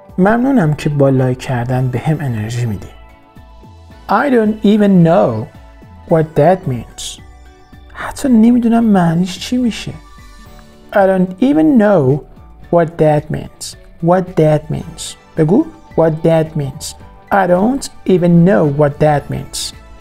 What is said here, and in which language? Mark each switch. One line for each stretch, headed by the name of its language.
Persian: ممنونم که با لایک کردن به هم انرژی میدی.
English: I don't even know what that means.
Persian: حتی نمیدونم معنیش چی میشه.
English: I don't even know what that means. What that means.
Persian: بگو
English: what that means. I don't even know what that means.